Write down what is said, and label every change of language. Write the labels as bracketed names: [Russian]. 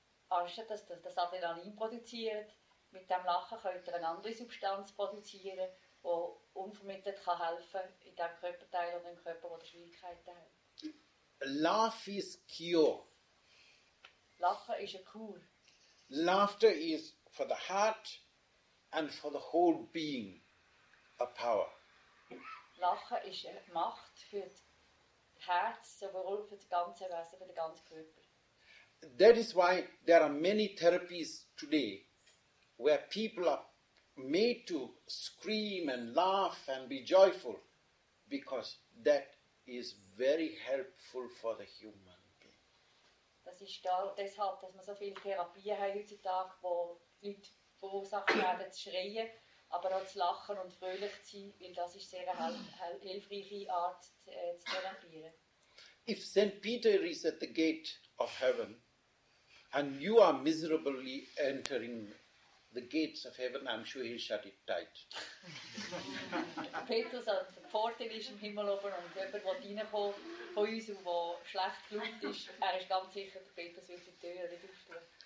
[German] Anstatt dass ihr das Adrenalin produziert, mit dem Lachen könnt ihr eine andere Substanz produzieren, die unvermittelt kann helfen kann in dem Körperteil und dem Körper, der Schwierigkeiten hat. [English] Laugh is cure. [German] Lachen ist eine Kur. [English] Laughter is for the heart and for the whole being a power. [German] Lachen ist eine Macht für das Herz, sowohl für das ganze Wesen, für den ganzen Körper. [English] That is why there are many therapies today where people are made to scream and laugh and be joyful, because that is very helpful for the human being. [German] Das ist da deshalb, dass man so viele Therapien hat heutzutage, wo Leute verursacht werden zu schreien, aber auch zu lachen und fröhlich zu sein, weil das ist sehr hilfreiche Art zu therapieren. [English] If St. Peter is at the gate of heaven, and you are miserably entering the gates of heaven, I'm sure he'll shut it tight. [German] Petrus at the Pforte is im Himmel oben, and jemand will reinkommen von uns, wo schlecht gelaunt ist, er ist ganz sicher, Petrus wird die Tür nicht aufstehen.